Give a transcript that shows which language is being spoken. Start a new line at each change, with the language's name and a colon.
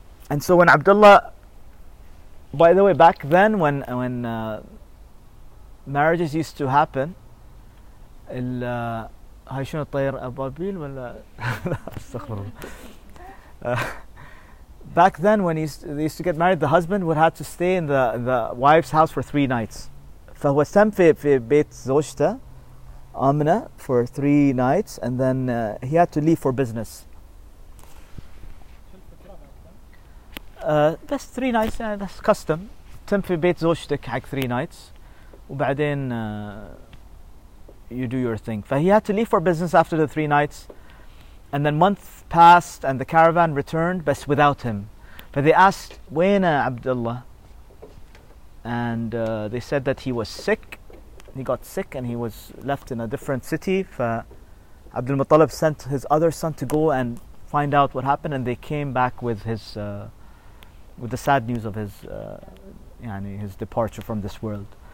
English: And so when Abdullah, by the way, back then when marriages used to happen, back then when they used to get married, the husband would have to stay in the wife's house for 3 nights.
Arabic: فهو سام في بيت زوجته
English: Amina for 3 nights, and then he had to leave for business. That's 3 nights, that's custom.
Arabic: تم في بيت زوجتك حق
English: 3 nights
Arabic: وبعدين
English: you do your thing. But he had to leave for business after the 3 nights, and then month passed and the caravan returned but without him. But they asked
Arabic: وين
English: Abdullah, and they said that he was sick. He got sick and he was left in a different city. Abdul Muttalib sent his other son to go and find out what happened, and they came back with with the sad news of his departure from this world.